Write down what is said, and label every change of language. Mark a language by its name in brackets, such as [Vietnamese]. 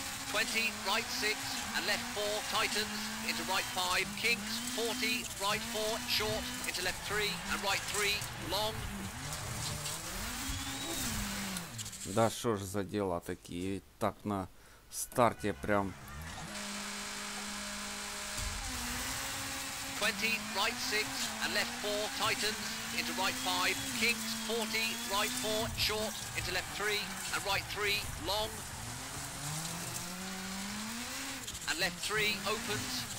[English] 20, right 6, and left 4, Titans, into right 5, Kinks, 40, right 4, short, into left 3, and right 3, long. [Russian] Да что ж за дела такие, так на старте прям. [English] 20, right 6, and left 4, Titans, into right 5, Kinks, 40, right 4, short, into left 3, and right 3, long. And left 3 opens.